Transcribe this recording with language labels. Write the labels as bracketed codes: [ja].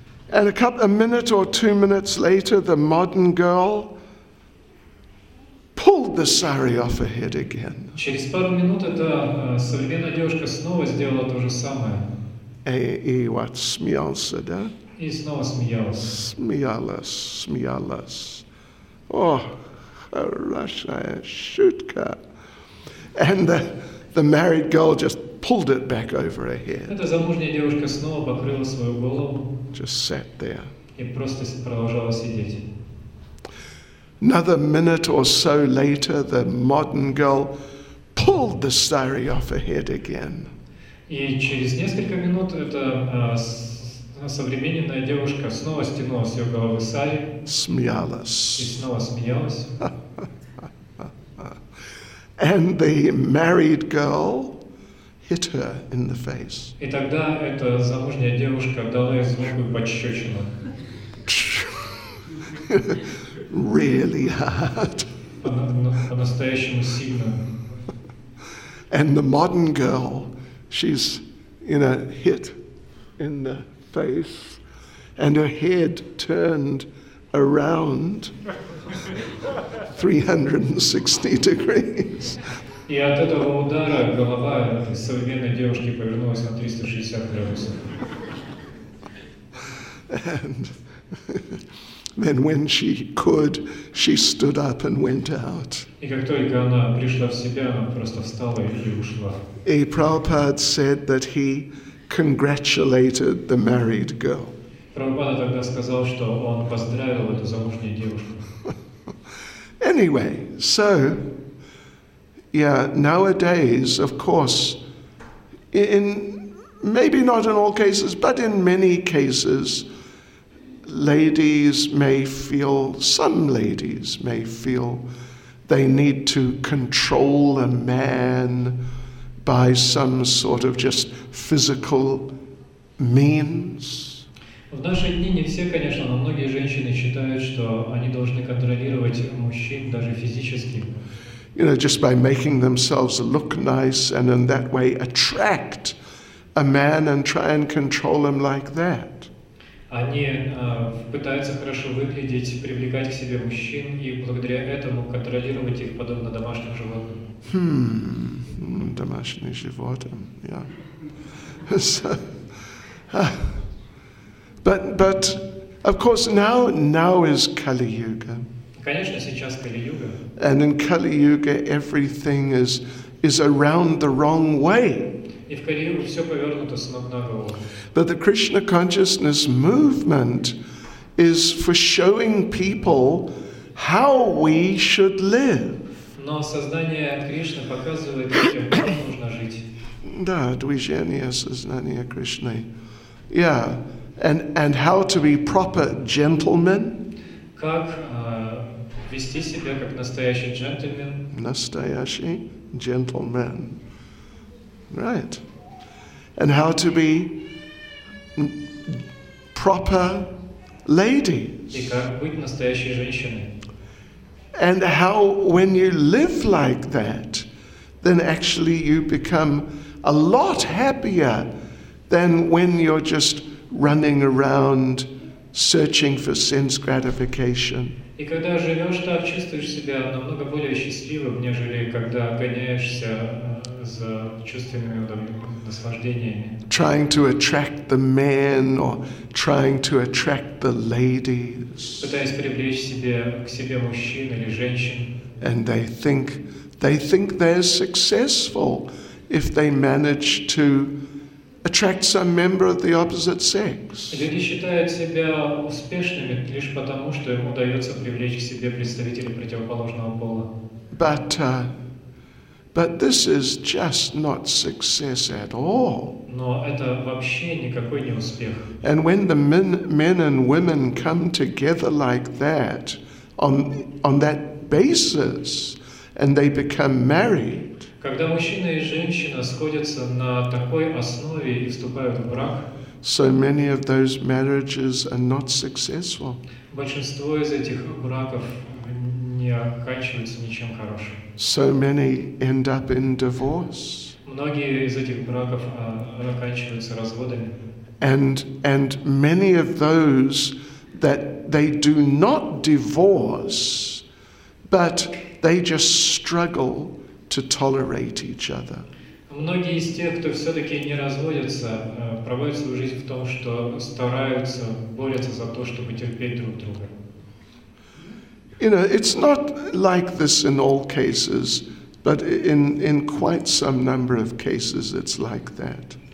[en] And a minute or 2 minutes later, the modern girl pulled the sari off her head again. [ru] Через пару минут эта современная девушка снова сделала то же самое. И вот смеялся, да? И снова смеялся. Смеялась. О, хорошая шутка. [en] And the married girl just pulled it back over her head. [ru] Эта замужняя девушка снова покрыла свою голову. [en] Just sat there. [ru] И просто продолжала сидеть. [en] Another minute or so later, the modern girl pulled the sari off her head again. [ru] И через несколько минут эта современная девушка снова стянула с ее головы сари. Смеялась. И снова смеялась. [en] And the married girl hit her in the face. [ru] И тогда эта замужняя девушка дала ей звонкую пощечину. [en] Really hard. [ru] По-настоящему сильно. [en] And the modern girl, she's in a hit in the face, and her head turned around 360 degrees. [ru] И от этого удара голова современной девушки повернулась на 360 градусов. [en] And then when she could, she stood up and went out. [ru] И как только она пришла в себя, она просто встала и ушла. [en] И Прабхупад said that he congratulated the married girl. [ru] Прабхупада тогда сказал, что он поздравил эту замужнюю девушку. [en] Anyway, so, yeah, nowadays, of course, in maybe not in all cases, but in many cases, some ladies may feel they need to control a man by some sort of just physical means. [ru] В наши дни не все, конечно, но многие женщины считают, что они должны контролировать мужчин даже физически. [en] You know, just by making themselves look nice and in that way attract a man and try and control him like that. [ru] Они пытаются хорошо выглядеть, привлекать к себе мужчин и благодаря этому контролировать их подобно домашним животным. Домашним животным, yeah. [en] But of course now is Kali Yuga. [ru] Конечно, сейчас Кали Юга. [en] And in Kali Yuga everything is around the wrong way. [ru] И в Кали Юге все повернуто с ног на голову. [en] But the Krishna consciousness movement is for showing people how we should live. [ru] Но сознание Кришны показывает людям, как нужно жить. Да, движение сознания Кришны. [en] Yeah. And how to be proper gentlemen? [ru] Как вести себя как настоящий джентльмен? Настоящий джентльмен. Right. [en] And how to be proper ladies? [ru] И как быть настоящей женщиной? [en] And how when you live like that, then actually you become a lot happier than when you're just running around searching for sense gratification. [ru] И когда живешь так, чувствуешь себя намного более счастливым, нежели когда гоняешься за чувственными наслаждениями. [en] Trying to attract the men or trying to attract the ladies. [ru] Пытаясь привлечь себе, к себе мужчин или женщин. [en] And they think they're successful if they manage to attract some member of the opposite sex. [ru] Люди считают себя успешными лишь потому, что им удается привлечь к себе представителей противоположного пола. [en] But this is just not success at all. [ru] Но это вообще никакой не успех. [en] And when the men and women come together like that, on that basis, and they become married. [ru] Когда мужчина и женщина сходятся на такой основе и вступают в брак, [en] so many of those marriages are not successful. [ru] Большинство из этих браков не оканчиваются ничем хорошим. [en] So many end up in divorce. [ru] Многие из этих браков оканчиваются разводами. [en] And many of those that they do not divorce, but they just struggle to tolerate each other. [ru] Многие из тех, кто все-таки не разводятся, проводят свою жизнь в том, что стараются, борются за то, чтобы терпеть друг друга. [en] You know, it's not like this in all cases, but in quite some number of cases it's like that.